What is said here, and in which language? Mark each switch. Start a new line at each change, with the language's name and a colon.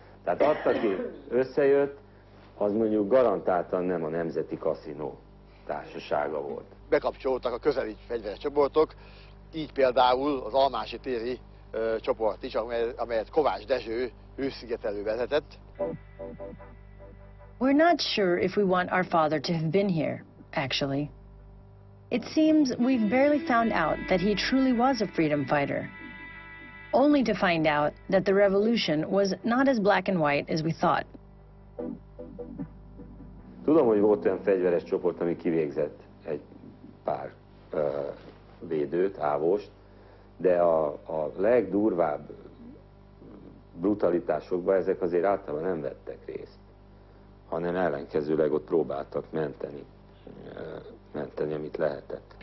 Hungarian: Tehát azt, aki összejött, az mondjuk garantáltan nem a Nemzeti Kaszinó társasága volt. Bekapcsoltak a közeli fegyveres csoportok, így például az Almási téri csoport is, amelyet Kovács Dezső hőszigetelő vezetett.
English: We're not sure if we want our father to have been here, actually. It seems we've barely found out that he truly was a freedom fighter. Only to find out that the revolution was not as black and white as we thought.
Hungarian: Tudom, hogy volt olyan fegyveres csoport, ami kivégzett egy pár védőt, ávost, de a legdurvább brutalitásokban ezek azért általában nem vettek részt, hanem ellenkezőleg ott próbáltak menteni, amit lehetett.